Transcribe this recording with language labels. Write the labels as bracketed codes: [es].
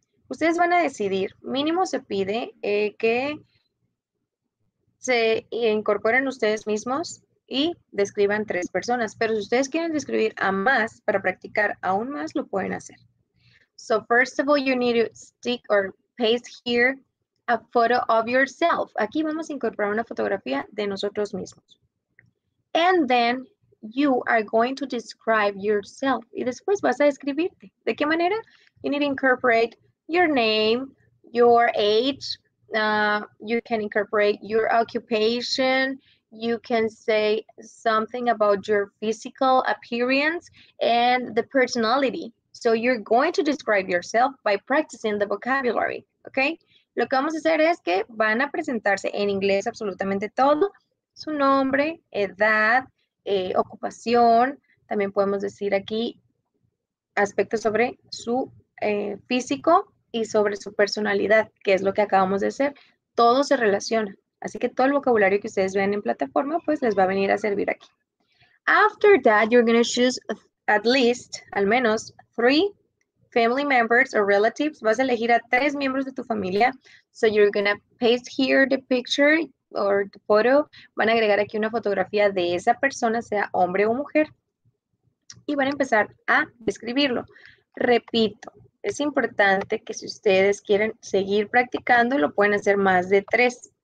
[es] Ustedes van a decidir, mínimo se pide que se incorporen ustedes mismos y describan tres personas, pero si ustedes quieren describir a más para practicar aún más, lo pueden hacer. [en] So, first of all, you need to stick or paste here a photo of yourself. [es] Aquí vamos a incorporar una fotografía de nosotros mismos. [en] And then you are going to describe yourself. [es] Y después vas a describirte. ¿De qué manera? [en] You need to incorporate your name, your age, you can incorporate your occupation, you can say something about your physical appearance and the personality. So you're going to describe yourself by practicing the vocabulary, okay? [es] Lo que vamos a hacer es que van a presentarse en inglés absolutamente todo, su nombre, edad, ocupación, también podemos decir aquí aspectos sobre su físico y sobre su personalidad, que es lo que acabamos de hacer. Todo se relaciona. Así que todo el vocabulario que ustedes vean en plataforma, pues les va a venir a servir aquí. [en] After that, you're going to choose at least, [es] al menos, [en] three family members or relatives. [es] Vas a elegir a tres miembros de tu familia. [en] So you're going to paste here the picture or the photo. [es] Van a agregar aquí una fotografía de esa persona, sea hombre o mujer. Y van a empezar a describirlo. Repito. Es importante que si ustedes quieren seguir practicando, lo pueden hacer más de tres.